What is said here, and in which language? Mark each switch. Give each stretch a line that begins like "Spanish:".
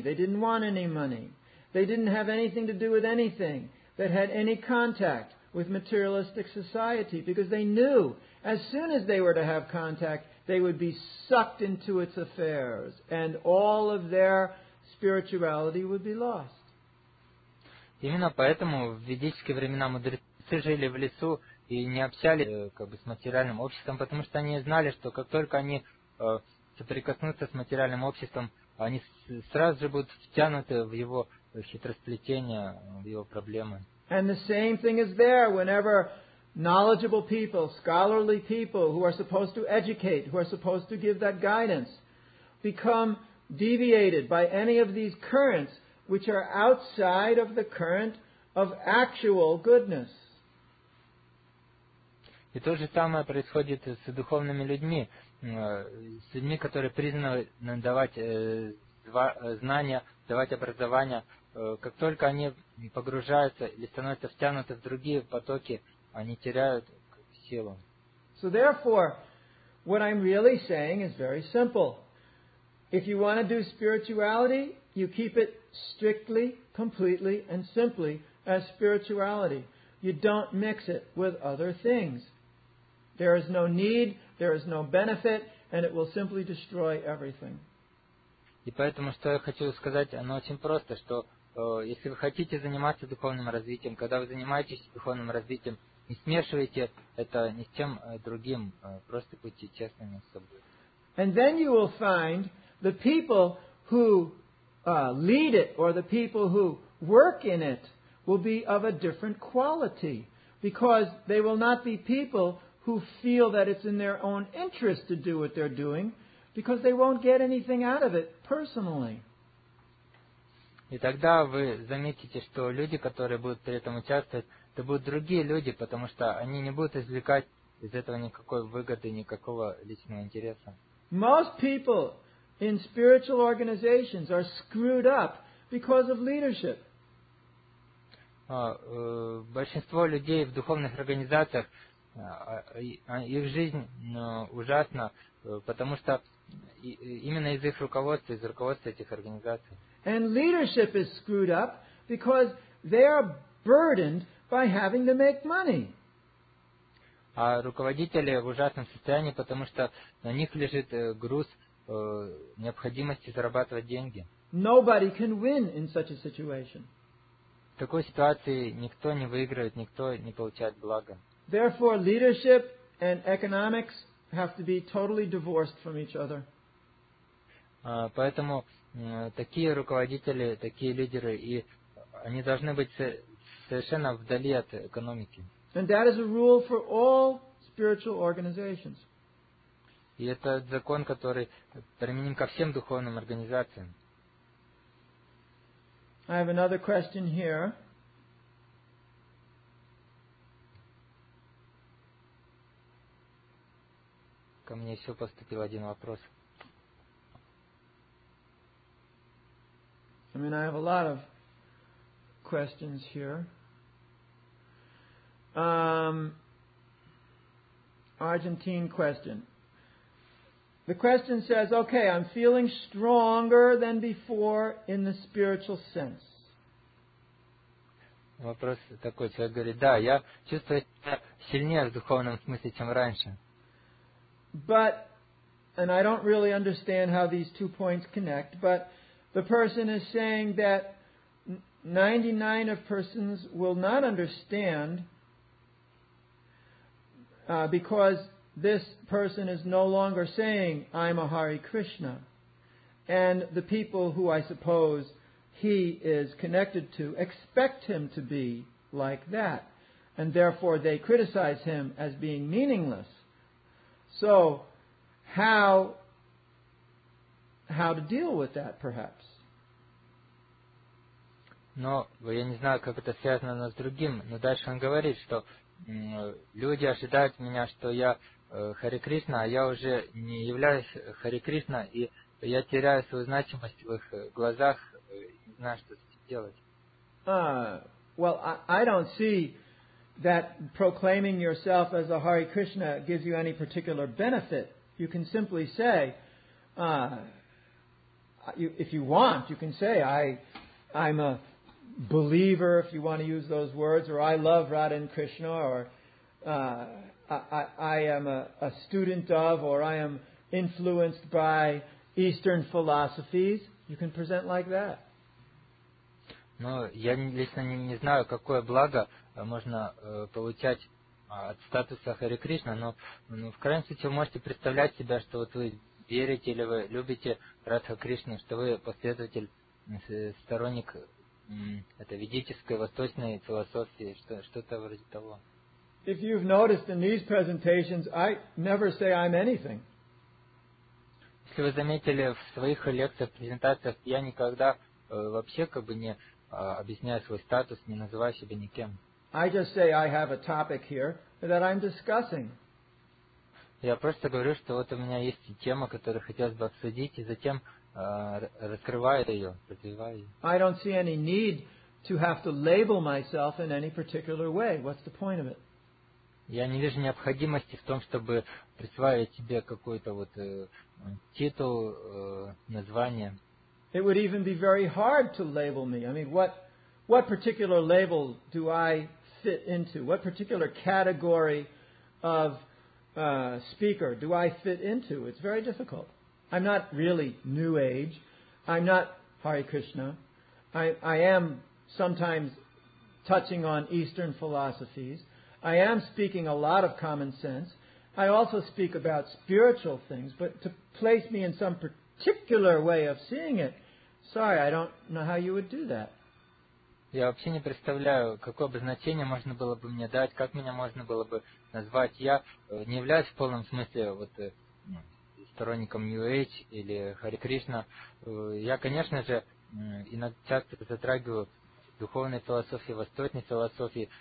English: They didn't want any money. They didn't have anything to do with anything that had any contact with materialistic society, because they knew as soon as they were to have contact, they would be sucked into its affairs and all of their spirituality would be lost.
Russian: Именно поэтому в ведические времена мудрецы жили в лесу и не общались с материальным обществом, потому что они знали, что как только они соприкоснуться с материальным обществом, они сразу же будут втянуты в его хитросплетение, в его проблемы.
English: And the same thing is there whenever knowledgeable people, scholarly people who are supposed to educate, who are supposed to give that guidance, become deviated by any of these currents which are outside of the current of actual goodness.
Russian: И то же самое происходит с духовными людьми. С людьми, которые признаны давать знания, давать образование, как только они погружаются или становятся втянуты в другие потоки, они теряют силу.
English: So therefore, what I'm really saying is very simple. If you want to do spirituality, you keep it strictly, completely, and simply as spirituality. You don't mix it with other things. There is no need, there is no benefit, and it will simply destroy everything.
Russian: И поэтому, что я хочу сказать, оно очень просто, что если вы хотите заниматься духовным развитием, когда вы занимаетесь духовным развитием, не смешивайте это ни с чем другим, просто будьте честными с собой.
English: And then you will find the people who lead it, or the people who work in it, will be of a different quality, because they will not be people who feel that it's in their own interest to do what they're doing, because they won't get anything out of it personally.
Russian: И тогда вы заметите, что люди, которые будут при этом участвовать, это будут другие люди, потому что они не будут извлекать из этого никакой выгоды, никакого личного интереса.
English: Most people in spiritual organizations are screwed up because of leadership.
Russian: Большинство людей в духовных организациях, их жизнь ужасна, потому что именно из их руководства, из руководства этих организаций.
English: And leadership is screwed up because they are burdened by having to make money.
Russian: А руководители в ужасном состоянии, потому что на них лежит груз необходимости зарабатывать деньги.
English: Nobody can win in such a situation.
Russian: В такой ситуации никто не выигрывает, никто не получает блага.
English: Therefore, leadership and economics have to be totally divorced from each other.
Russian: Поэтому такие руководители, такие лидеры, и они должны быть совершенно вдали от экономики.
English: And that is a rule for all spiritual organizations.
Russian: И это закон, который применим ко всем духовным организациям.
English: I have another question here.
Russian: Ко мне еще поступил один вопрос.
English: I mean, I have a lot of questions here. Argentine question. The question says, okay, I'm feeling stronger than before in the spiritual sense.
Russian: Вопрос такой, человек говорит, да, я чувствую себя сильнее в духовном смысле, чем раньше.
English: But, and I don't really understand how these two points connect, but the person is saying that 99 of persons will not understand because this person is no longer saying, I'm a Hare Krishna. And the people who I suppose he is connected to expect him to be like that. And therefore they criticize him as being meaningless. So how to deal with that perhaps?
Russian: Но я не знаю, как это связано с другим. Но дальше он говорит, что люди ожидают меня, что я Харе Кришна, а я уже не являюсь Харе Кришна, и я теряю свою значимость в их глазах, и знаю, что с этим делать.
English: Well, I don't see that proclaiming yourself as a Hare Krishna gives you any particular benefit. You can simply say, if you want, you can say, I'm a believer, if you want to use those words, or I love Radha and Krishna, or I am a student of, or I am influenced by Eastern philosophies. You can present like that.
Russian: Но я лично не знаю, какое благо можно получать от статуса Харе Кришна, но в крайнем случае вы можете представлять себя, что вот вы верите или вы любите Радха Кришну, что вы последователь, сторонник этой ведической, восточной философии, что-то вроде того.
English: If you've noticed in these presentations, I never say I'm anything.
Russian: Если вы заметили в своих лекциях, презентациях, я никогда вообще как бы не объясняю свой статус, не называю себя никем.
English: I just say I have a topic here that I'm discussing.
Russian: Я просто говорю, что вот у меня есть тема, которую хотелось бы обсудить, и затем раскрываю ее, развиваю ее.
English: I don't see any need to have to label myself in any particular way. What's the point of it?
Russian: Я не вижу необходимости в том, чтобы присваивать себе какой-то вот титул, название.
English: It would even be very hard to label me. I mean, what particular label do I fit into? What particular category of speaker do I fit into? It's very difficult. I'm not really New Age. I'm not Hare Krishna. I am sometimes touching on Eastern philosophies. I am speaking a lot of common sense. I also speak about spiritual things, but to place me in some particular way of seeing it, sorry, I don't know how you would do that.
Russian: Я вообще не представляю, какое бы значение можно было бы мне дать, как меня можно было бы назвать. Я не являюсь в полном смысле вот сторонником New Age или Харе Кришна. Я, конечно же, иногда часто затрагиваю духовной философии, восточной философии.